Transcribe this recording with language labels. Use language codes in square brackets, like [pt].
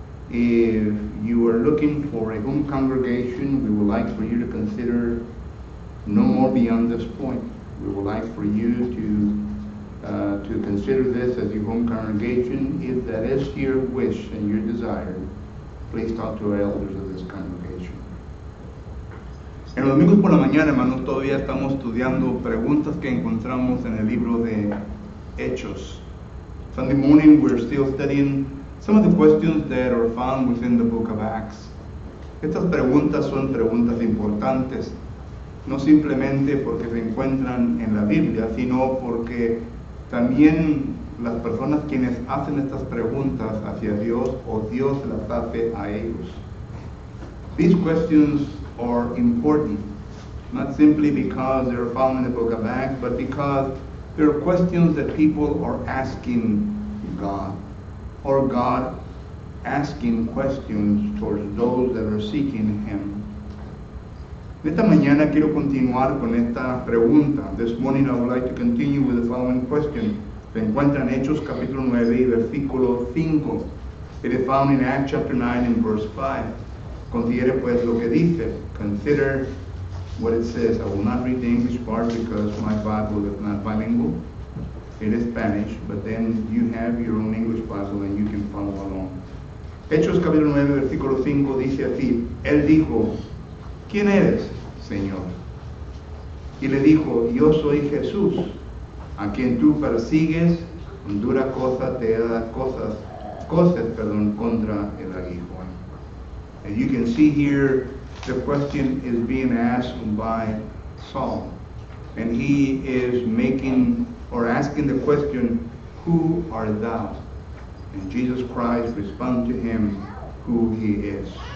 [en] If you are looking for a home congregation, we would like for you to consider no more beyond this point. We would like for you to consider this as your home congregation. If that is your wish and your desire, please talk to our elders of this congregation. [es] En los domingos por la mañana, hermanos, todavía estamos estudiando preguntas que encontramos en el libro de Hechos. [en] Sunday morning, we're still studying some of the questions that are found within the book of Acts. [es] Estas preguntas son preguntas importantes, no simplemente porque se encuentran en la Biblia, sino porque también las personas quienes hacen estas preguntas hacia Dios o Dios las hace a ellos. [en] These questions are important, not simply because they're found in the book of Acts, but because there are questions that people are asking God, or God asking questions towards those that are seeking Him. [es] Esta mañana quiero continuar con esta pregunta. [en] This morning I would like to continue with the following question. [es] Se encuentra en Hechos capítulo 9, versículo 5. [en] It is found in Acts chapter 9 and verse 5. [es] Considere pues lo que dice. [en] Consider what it says. I will not read the English part because my Bible is not bilingual. It is Spanish, but then you have your own English Bible and you can follow along. [es] Hechos capítulo 9, versículo 5 dice así. Él dijo, ¿quién eres, Señor? Y le dijo, yo soy Jesús, a quien tú persigues, dura cosa te da cosas contra el aguijón. [en] As you can see here, the question is being asked by Saul. And he is asking the question, who are thou? And Jesus Christ responds to him, who he is.